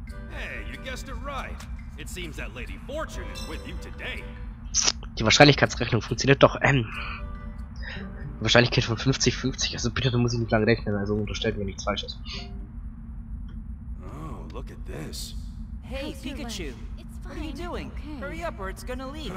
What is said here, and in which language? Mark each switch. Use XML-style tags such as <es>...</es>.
<en>Hey, you guessed it right. It seems that Lady Fortune is with you today.</en> <de>Die Wahrscheinlichkeitsrechnung funktioniert doch, Wahrscheinlichkeit von 50-50, also bitte, da muss ich nicht lange rechnen, also unterstellt mir nichts Falsches.</de> <en>Oh, look at this. Hey, Pikachu. It's fine. What are you doing? Okay. Hurry up or it's gonna leave.</en>